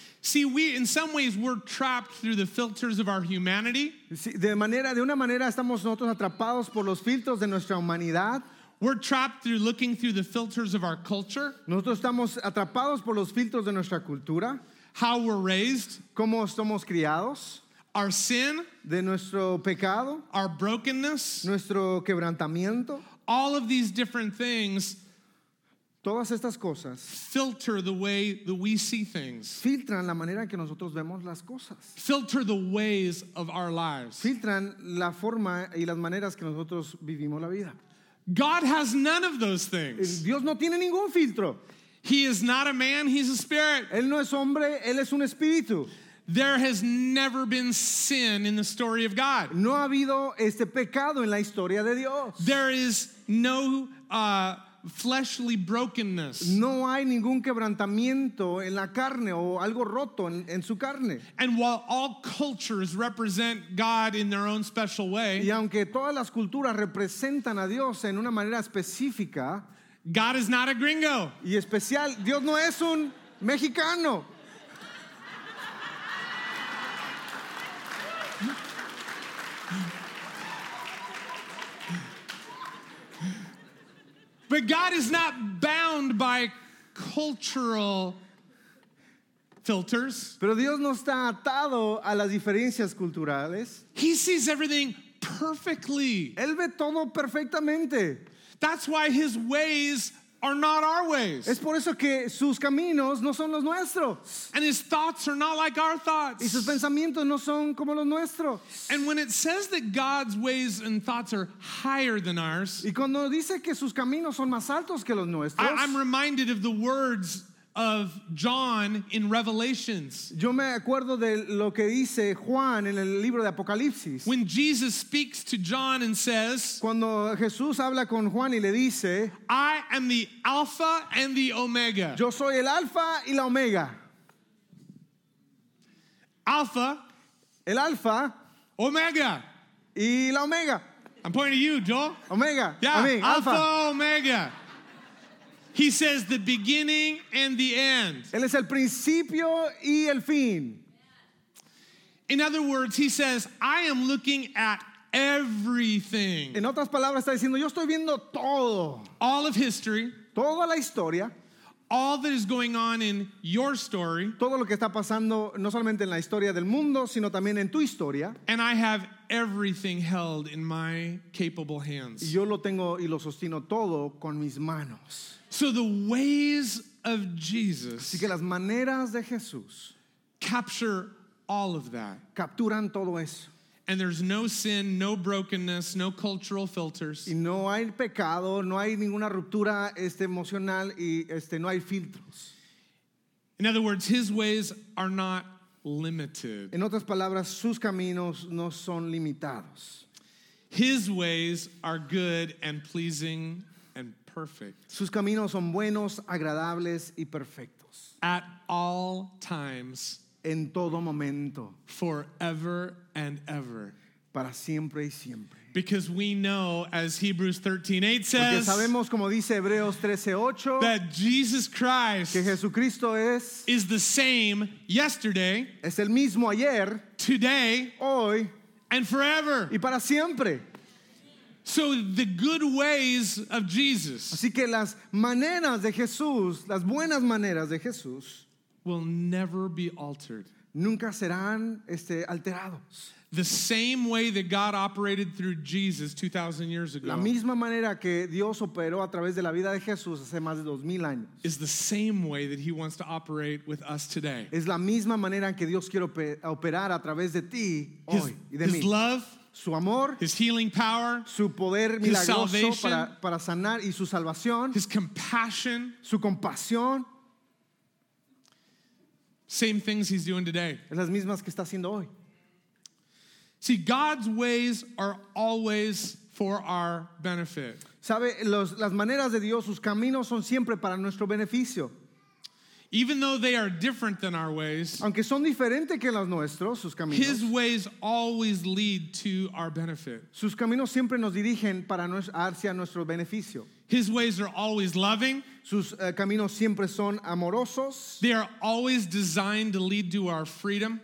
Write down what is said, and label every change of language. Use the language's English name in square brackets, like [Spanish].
[English] See, we in some ways we're trapped through the filters of our humanity. [Spanish] De una manera estamos nosotros atrapados por los filtros de nuestra humanidad. [English] We're trapped through looking through the filters of our culture. [Spanish] Nosotros estamos atrapados por los filtros de nuestra cultura. [English] How we're raised. [Spanish] Cómo somos criados. [English] Our sin. [Spanish] De nuestro pecado. [English] Our brokenness. [Spanish] Nuestro quebrantamiento. [English] All of these different things. [Spanish] Todas estas cosas [English] filter the way that we see things. [Spanish] Filtran la manera en que nosotros vemos las cosas. [English] Filter the ways of our lives. [Spanish] Filtran la forma y las maneras que nosotros vivimos la vida. [English] God has none of those things. [Spanish] Dios no tiene ningún filtro. [English] He is not a man, he's a spirit. [Spanish] Él no es hombre, él es un espíritu. [English] There has never been sin in the story of God. [Spanish] No ha habido este pecado en la historia de Dios. [English] There is no fleshly brokenness. [Spanish] No hay ningún quebrantamiento en la carne o algo roto en su carne. [English] And while all cultures represent God in their own special way, [Spanish] y aunque todas las culturas representan a Dios en una manera específica, [English] God is not a gringo. [Spanish] Y especial, Dios no es un mexicano. [English] But God is not bound by cultural filters. [Spanish] Pero Dios no está atado a las diferencias culturales. [English] He sees everything perfectly. [Spanish] Él ve todo perfectamente. [English] That's why his ways are not our ways. [Spanish] Es por eso que sus caminos no son los nuestros. [English] And his thoughts are not like our thoughts. [Spanish] Y sus pensamientos no son como los nuestros. [English] And when it says that God's ways and thoughts are higher than ours, [Spanish] y cuando dice que sus caminos son más altos que los nuestros, [English] I'm reminded of the words of John in Revelations. [Spanish] Yo me acuerdo de lo que dice Juan en el libro de Apocalipsis. [English] When Jesus speaks to John and says, [Spanish] cuando Jesús habla con Juan y le dice, [English] I am the Alpha and the Omega. [Spanish] Yo soy el Alpha y la Omega. [English] Alpha, [Spanish] el Alpha, [English] Omega, [Spanish] y la Omega. [English] I'm pointing to you, Joel. [Spanish] Omega. [English] Yeah, [Spanish] Omega. [English] Alpha, Omega. He says the beginning and the end. [Spanish] Él es el principio y el fin. [English] In other words, he says, I am looking at everything. [Spanish] En otras palabras, está diciendo, yo estoy viendo todo. [English] All of history. [Spanish] Toda la historia. [English] All that is going on in your story. [Spanish] Todo lo que está pasando, no solamente en la historia del mundo, sino también en tu historia. [English] And I have everything held in my capable hands. [Spanish] Y yo lo tengo y lo sostengo todo con mis manos. [English] So the ways of Jesus, [Spanish] así que las maneras de Jesús, [English] capture all of that. [Spanish] Capturan todo eso. [English] And there's no sin, no brokenness, no cultural filters. [Spanish] Y no hay pecado, no hay ninguna ruptura emocional y no hay filtros. [English] In other words, his ways are not limited. [Spanish] En otras palabras, sus caminos no son limitados. [English] His ways are good and pleasing. And perfect. [Spanish] Sus caminos son buenos, agradables y perfectos. [English] At all times. [Spanish] En todo momento. [English] Forever and ever. [Spanish] Para siempre y siempre. [English] Because we know, as Hebrews 13:8 says. [Spanish] Porque sabemos, como dice Hebreos 13:8, [English] that Jesus Christ, [Spanish] que Jesucristo es, [English] is the same yesterday, [Spanish] es el mismo ayer, [English] today, [Spanish] hoy, [English] and forever, [Spanish] y para siempre. [English] So the good ways of Jesus. [Spanish] Así que las maneras de Jesús, las buenas maneras de Jesús, [English] will never be altered. [Spanish] Nunca serán alterados. [English] The same way that God operated through Jesus 2,000 years ago. [Spanish] La misma manera que Dios operó a través de la vida de Jesús hace más de 2,000 años. [English] Is the same way that He wants to operate with us today. [Spanish] Es la misma manera que Dios quiere operar a través de ti hoy y de mí. [English] His love. [Spanish] Su amor, [English] his healing power, [Spanish] su poder milagroso para sanar y su salvación, [English] his compassion, [Spanish] su compasión, [English] same things he's doing today. [Spanish] Las mismas que está haciendo hoy. [English] See, God's ways are always for our benefit. [Spanish] Sabe, las maneras de Dios, sus caminos son siempre para nuestro beneficio. [English] Even though they are different than our ways, [Spanish] aunque son diferentes que los nuestros, sus caminos, [English] his ways always lead to our benefit. [Spanish] Sus caminos siempre nos dirigen para hacia nuestro beneficio. [English] His ways are always loving. [Spanish] Sus caminos siempre son amorosos. [English] They are always designed to lead to our freedom.